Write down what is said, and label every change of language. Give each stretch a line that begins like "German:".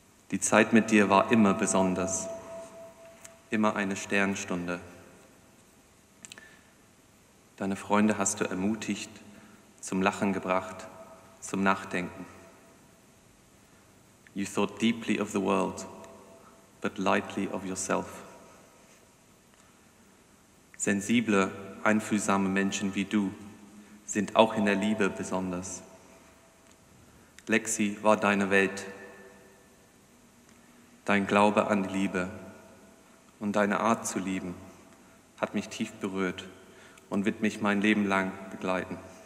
German: Die Zeit mit dir war immer besonders, immer eine Sternstunde. Deine Freunde hast du ermutigt, zum Lachen gebracht, zum Nachdenken.
English: You thought deeply of the world, but lightly of yourself.
German: Sensible, einfühlsame Menschen wie du sind auch in der Liebe besonders. Lexi war deine Welt, dein Glaube an die Liebe und deine Art zu lieben hat mich tief berührt und wird mich mein Leben lang begleiten.